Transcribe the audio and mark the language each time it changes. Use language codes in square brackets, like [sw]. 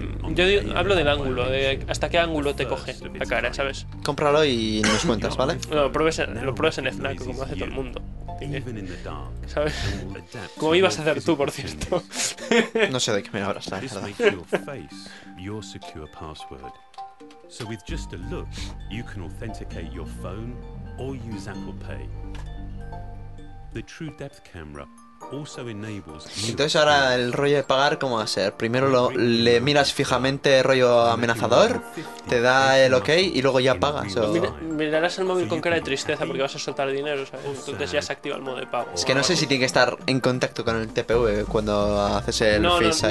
[es] Yo hablo del ángulo, de hasta qué ángulo te coge la cara, ¿sabes? Cómpralo y nos cuentas, ¿vale? No, lo pruebes en Fnac, como hace todo el mundo. ¿Sabes? Como ibas a hacer tú, por cierto. No sé de qué me hablas, la verdad. [en] Your secure password. So with just a look, you can authenticate your phone or use Apple Pay. The True Depth camera also enables. [es] Entonces ahora el rollo de pagar, ¿cómo va a ser? Primero le miras fijamente, rollo amenazador, te da el OK y luego ya pagas. O... Mirarás el móvil con cara de tristeza porque vas a soltar dinero, ¿sabes? Entonces ya se activa el modo de pago. Es que no sé si tiene que estar en contacto con el TPV cuando haces el Face ID.